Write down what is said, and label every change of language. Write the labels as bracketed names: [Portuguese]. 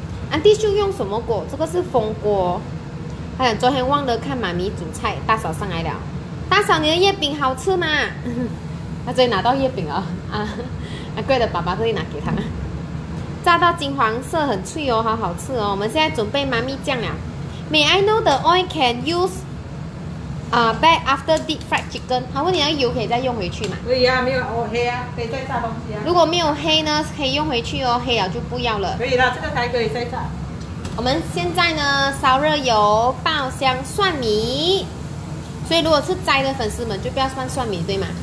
[Chinese] 安迪就用什么锅？这个是风锅。他讲昨天忘了看妈咪煮菜，大嫂上来了。大嫂，你的月饼好吃吗？他昨天拿到月饼了啊，阿贵的爸爸特意拿给他。炸到金黄色，很脆哦，好好吃哦。我们现在准备妈咪酱了。 [English] May I know the oil can use back after deep fried chicken？ [Chinese] 他问你那个油可以再用回去吗？可以啊，没有哦，黑啊，可以再炸东西啊。如果没有黑呢，可以用回去哦，黑了就不要了。可以啦，这个台可以再炸。我们现在呢，烧热油爆香蒜米，所以如果是斋的粉丝们就不要放蒜米，对吗？